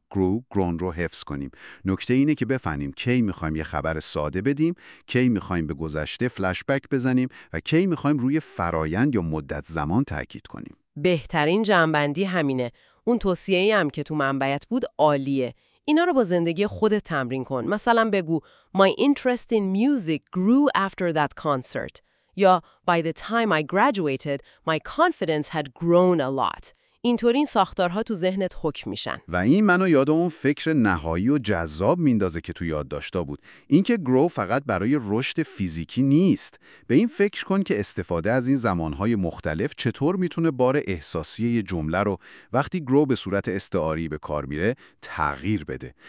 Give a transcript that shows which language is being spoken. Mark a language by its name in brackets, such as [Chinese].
[Persian] گرو گرون رو حفظ کنیم. نکته اینه که بفهمیم کی میخوایم یه خبر ساده بدیم، کی میخوایم به گذشته فلش بک بزنیم و کی میخوایم روی فرایند یا مدت زمان تاکید کنیم. بهترین جمع‌بندی همینه. اون توصیه‌ای هم که تو منبعت بود عالیه. اینا رو با زندگی خودت تمرین کن. مثلا بگو [English] My interest in music grew after that concert. یا By the time I graduated, my confidence had grown a lot. [Persian] اینطور این ساختارها تو ذهنت حکم میشن. و این منو یاد اون فکر نهایی و جذاب میندازه که تو یاد داشتا بود. اینکه گرو فقط برای رشد فیزیکی نیست. به این فکر کن که استفاده از این زمانهای مختلف چطور میتونه بار احساسی یه جمله رو وقتی گرو به صورت استعاری به کار میره تغییر بده.